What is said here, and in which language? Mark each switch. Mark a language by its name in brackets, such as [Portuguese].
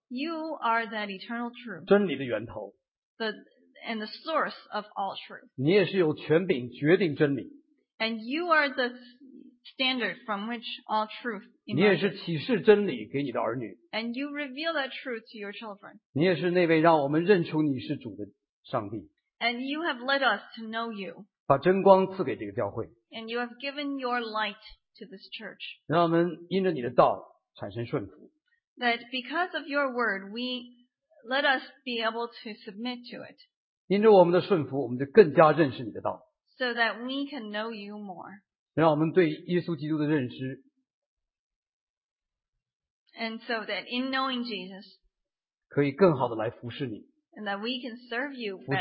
[English] You are that eternal truth. [Chinese] 真理的源头。 [English] And the source of all truth. [Chinese] 你也是有权柄决定真理。 [English] And you are the standard from which all truth emerges. [Chinese] 你也是启示真理给你的儿女。 [English] And you reveal that truth to your children. [Chinese] 你也是那位让我们认出你是主的上帝。 [English] And you have led us to know you. [Chinese] 把真光赐给这个教会。 [English] And you have given your light to this church. [Chinese] 让我们因着你的道产生顺服。 [English] That because of your word, we let us be able to submit to it. [Chinese] 因着我们的顺服，我们就更加认识你的道。 [English] So that we can know you more. [Chinese] 让我们对耶稣基督的认识 [English] and so that in knowing Jesus, [Chinese] 可以更好的来服侍你 [English] and that we can serve you better,